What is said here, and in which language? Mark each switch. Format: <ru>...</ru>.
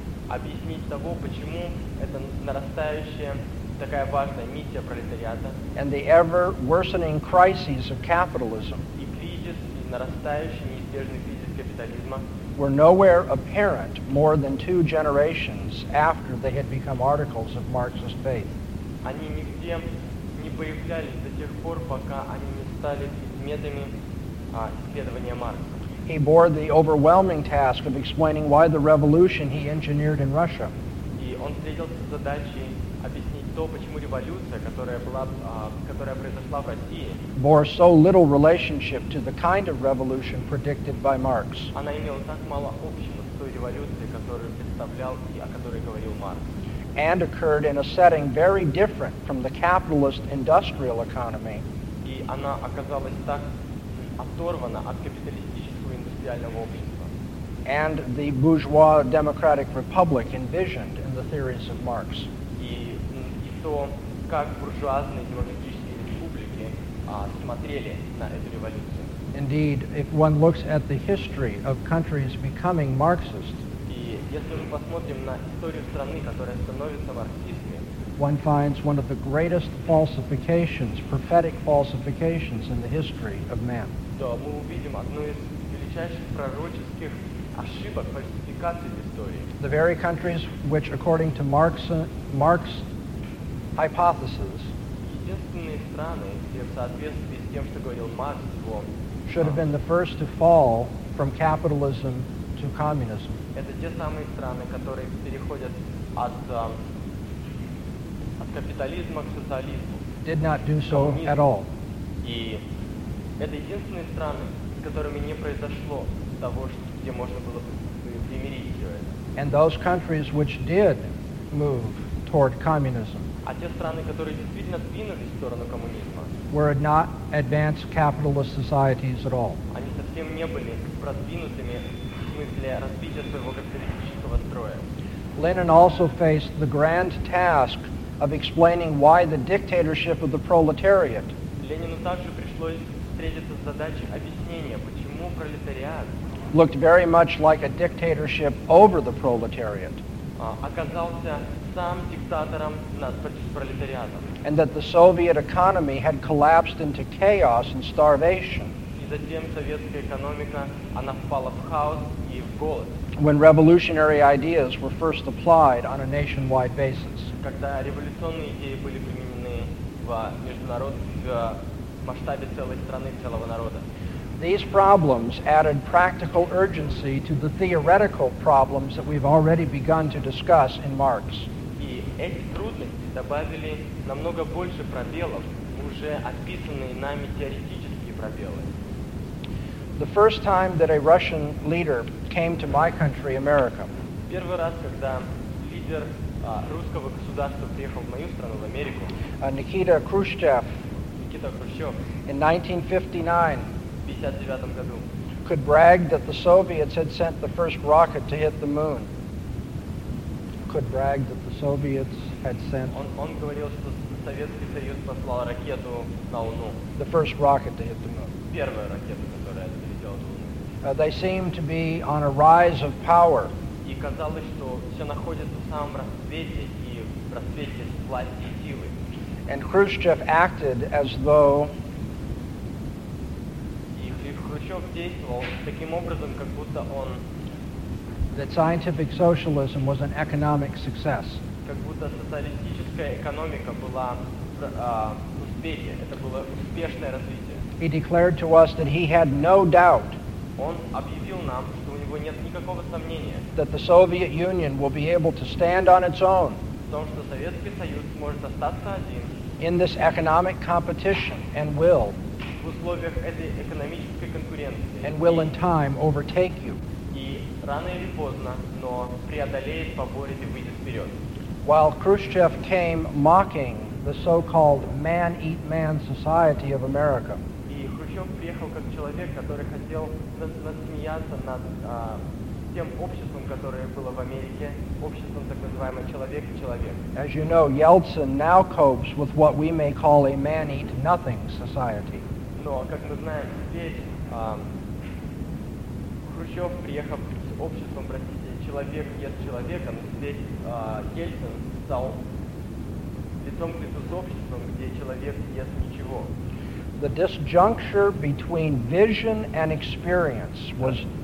<ru>объяснить того, почему это нарастающая такая важная миссия пролетариата,</ru> <en>and the ever worsening crises of capitalism,</en> <ru>и кризис, и нарастающий неизбежный кризис капитализма,</ru> <en>were nowhere apparent more than two generations after they had become articles of Marxist faith.</en> <ru>Они нигде не появлялись до тех пор, пока они не стали предметами исследования Маркса.</ru> <en>He bore the overwhelming task of explaining why the revolution he engineered in Russia.</en> <ru>И он встретился с задачей объяснить то, почему революция, которая произошла в России,</ru> <en>bore so little relationship to the kind of revolution predicted by Marx.</en> <ru>Она имела так мало общего с той революцией, которую представлял и о которой говорил Маркс.</ru> <en>And occurred in a setting very different from the capitalist industrial economy.</en> <ru>И она оказалась так оторвана от капиталистического индустриального общества.</ru> <en>And the bourgeois democratic republic envisioned in the theories of Marx.</en> <ru>И то как буржуазные демократические республики смотрели на эту революцию.</ru> <en>Indeed, if one looks at the history of countries becoming Marxist,</en> <ru>и если мы посмотрим на историю страны, которая становится марксистской,</ru> <en>one finds one of the greatest falsifications, prophetic falsifications in the history of man.</en> <ru>То мы увидим одну из величайших пророческих ошибок, фальсификаций в истории.</ru> <en>The very countries which, according to Marx's hypothesis,</en> <ru>единственные страны, где в соответствии с тем, что говорил Маркс,</ru> <en>should have been the first to fall from capitalism to communism.</en> <ru>Это те самые страны, которые переходят от капитализма к социализму.</ru> <en>Did not do so at all.</en> <ru>И это единственные страны, с которыми не произошло того, где можно было бы примирить все это.</ru> <en>And those countries which did move toward communism.</en> <ru>А те страны, которые действительно двинулись в сторону коммунизма,</ru> <en>were not advanced capitalist societies at all.</en> <ru>Они совсем не были продвинутыми в смысле развития своего капиталистического строя.</ru> <en>Lenin also faced the grand task of explaining why the dictatorship of the proletariat.</en> <ru>Ленину также пришлось встретиться с задачей объяснения, почему пролетариат</ru> <en>looked very much like a dictatorship over the proletariat.</en> <ru>Оказался сам диктатором над пролетариатом.</ru> <en>And that the Soviet economy had collapsed into chaos and starvation.</en> <ru>И затем советская экономика, она впала в хаос и в голод.</ru> <en>When revolutionary ideas were first applied on a nationwide basis.</en> <ru>Когда революционные идеи были применены в масштабе целой страны, целого народа.</ru> <en>These problems added practical urgency to the theoretical problems that we've already begun to discuss in Marx.</en> <ru>И эти трудности добавили намного больше пробелов, уже описанные нами теоретические пробелы.</ru> <en>The first time that a Russian leader came to my country, America,</en> <ru>первый раз, когда лидер русского государства приехал в мою страну, в Америку, Никита Хрущев, Никита Хрущев,</ru> <en>in 1959,</en> <ru>в 59-м году,</ru> <en>could brag that the Soviets had sent the first rocket to hit the moon. Could brag that the Soviets had sent</en> <ru>он говорил, что Советский Союз послал ракету на Луну.</ru> <en>The first rocket to hit the moon.</en> <ru>Первая ракета, которая залетела на Луну.</ru> <en>They seemed to be on a rise of power.</en> <ru>И казалось, что все находится в самом расцвете и в расцвете власти и силы.</ru> <en>And Хрущев acted as though</en> <ru>и Хрущев действовал таким образом, как будто он</ru> <en>that scientific socialism was an economic success.</en> <ru>Как будто социалистическая экономика была успехом, это было успешное развитие.</ru> <en>He declared to us that he had no doubt.</en> <ru>Он объявил нам, что у него нет никакого сомнения.</ru> <en>That the Soviet Union will be able to stand on its own.</en> <ru>В том, что Советский Союз может остаться один.</ru> <en>In this economic competition and will.</en> <ru>В условиях этой экономической конкуренции.</ru> <en>And will in time overtake you.</en> <ru>Рано или поздно, но преодолеет, поборет и выйдет вперед.</ru> <en>While Khrushchev came mocking the so-called man-eat-man society of America.</en> <ru>И Хрущев приехал как человек, который хотел насмеяться над тем обществом, которое было в Америке, обществом так называемого человек-человек.</ru> <en>As you know, Yeltsin now copes with what we may call a man-eat-nothing society.</en> <ru>Но, как мы знаем, теперь Хрущев приехал обществом, простите, человек ест человека, но здесь Ельцин стал лицом к лицу с обществом, где человек ест ничего.</ru> <en>The disjuncture between vision and experience was</en>